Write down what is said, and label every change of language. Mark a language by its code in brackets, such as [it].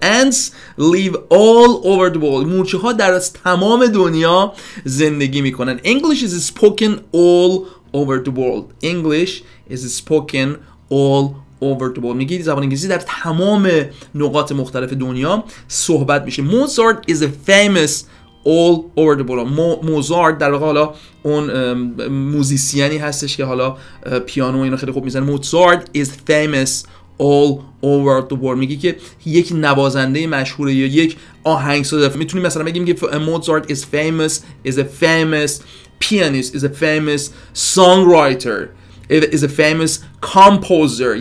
[en] Ants live all over the world. [fa] مورچه ها در از تمام دنیا زندگی میکنن. [en] English is spoken all over the world. English is spoken all over the world. [fa] میگید زبان انگلیسی در تمام نقاط مختلف دنیا صحبت میشه. [en] Mozart is a famous all over the world. [fa] موزارت در واقع حالا اون موزیسیانی هستش که حالا پیانو اینا خیلی خوب میزنه. [en] Mozart is famous all over the world. [fa] میگه که یک نوازنده مشهوره یا یک آهنگساز. میتونیم مثلا بگیم که [en] Mozart is a famous pianist, is a famous songwriter, is a famous composer.